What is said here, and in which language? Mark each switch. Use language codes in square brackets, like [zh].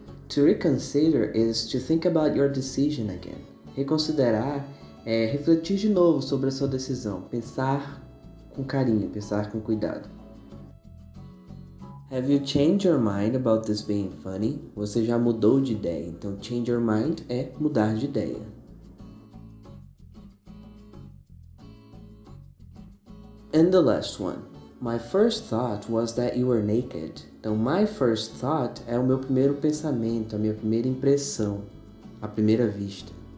[en] To reconsider is to think about your decision again. [pt] Reconsiderar é refletir de novo sobre a sua decisão. Pensar com carinho, pensar com cuidado. [en] Have you changed your mind about this being funny? [pt] Você já mudou de ideia. Então, change your mind é mudar de ideia. [en] And the last one. My first thought was that you were naked. [pt] Então, my first thought é o meu primeiro pensamento, a minha primeira impressão, à primeira vista.